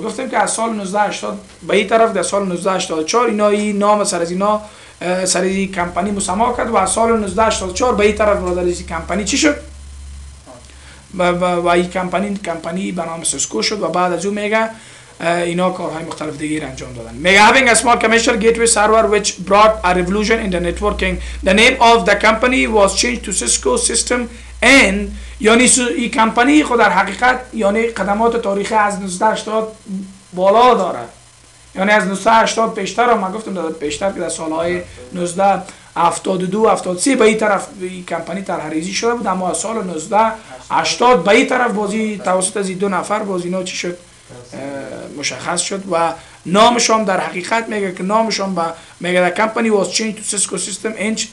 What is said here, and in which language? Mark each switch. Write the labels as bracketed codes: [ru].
[fa] گفتم که از سال 1980 به این طرف در سال 1984 اینا این نام سر از اینا سر از این کمپانی مسما کرد و از سال 1984 به این طرف برادر از این کمپانی چی شد؟ و این کمپانی به نام Cisco شد و بعد از اون میگه اینا کارهای مختلف دیگه را انجام دادن. میگه [en] having a small commercial gateway server which brought a revolution in the networking. The name of the company was changed to Cisco system [fa] and یعنی این کمپانی خود در حقیقت یعنی قدمات تاریخی از 1980 بالا داره، یعنی از 1980 پیشتر هم گفتم داده پیشتر که در سالهای 1972-73 به این طرف این کمپانی طرح‌ریزی شده بود، اما از سال 1980 به این طرف بازی توسط از دو نفر بازی اینا چی شد مشخص شد و نامش هم در حقیقت میگه که نامش هم به میگه [en] the company was changed to Cisco system inch.